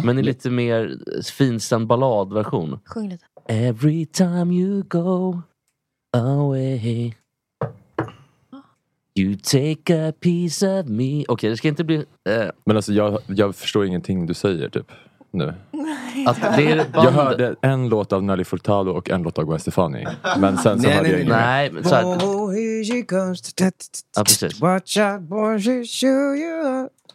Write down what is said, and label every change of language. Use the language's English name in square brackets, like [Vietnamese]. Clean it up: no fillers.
[Swedish] Men är lite mer finstämd balladversion. Sjung lite. [English] Every time you go away, you take a piece of me. [Swedish] Okej, det ska inte bli... Men alltså, jag förstår ingenting du säger, typ, nu. Att det är band... Jag hörde en låt av Nelly Furtado och en låt av Gwen Stefani. Men sen så hörde jag ingen. Nej, men så här... [English] Oh, here she comes. [Swedish] Ja, precis. [English] Watch out, boy, she show you up.